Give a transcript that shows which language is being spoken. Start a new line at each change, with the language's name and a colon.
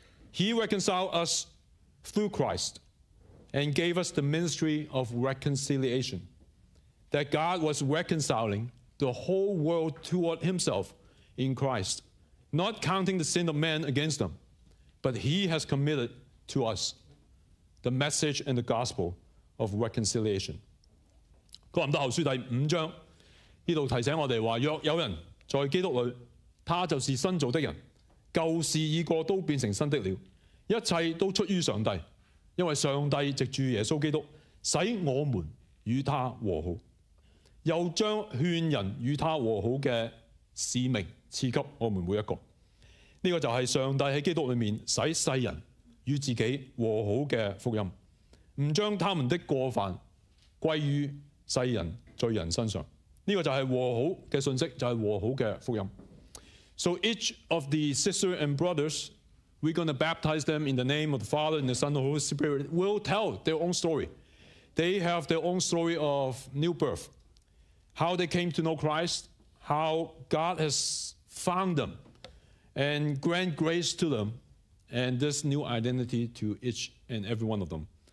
English: He reconciled us through Christ and gave us the ministry of reconciliation. That God was reconciling the whole world toward himself in Christ, not counting the sin of man against them, but he has committed to us the message and the gospel of reconciliation.
Chinese: 哥林多后书第五章，这里提醒我们说，若有人在基督裏，他就是新造的人，舊事已過，都變成新的了。一切都出於上帝，因為上帝藉著耶穌基督使我們與他和好，又將勸人與他和好的使命賜給我們每一個。這個就是上帝在基督裏面使世人與自己和好的福音，不將他們的過犯歸於世人罪人身上。這個就是和好的信息，就是和好的福音。
English: So each of the sisters and brothers, we're going to baptize them in the name of the Father and the Son and the Holy Spirit, will tell their own story. They have their own story of new birth, how they came to know Christ, how God has found them and grant grace to them and this new identity to each and every one of them.